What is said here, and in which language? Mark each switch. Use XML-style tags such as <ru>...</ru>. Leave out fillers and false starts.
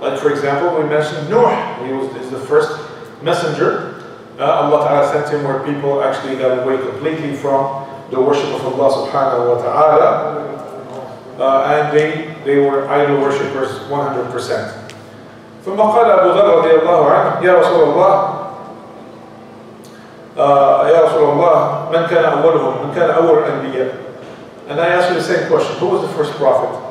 <en>Like for example, we mentioned Nuh, he was the first messenger. Allah Ta'ala sent him where people actually got away completely from the worship of Allah subhanahu wa ta'ala. And they were idol worshippers 100%.</en> <ar>ثم قال أبو ذر رضي الله عنه يا رسول الله يا رسول الله من كان أولهم من كان أول الأنبياء.</ar> <en>And I asked you the same question, who was the first prophet?</en>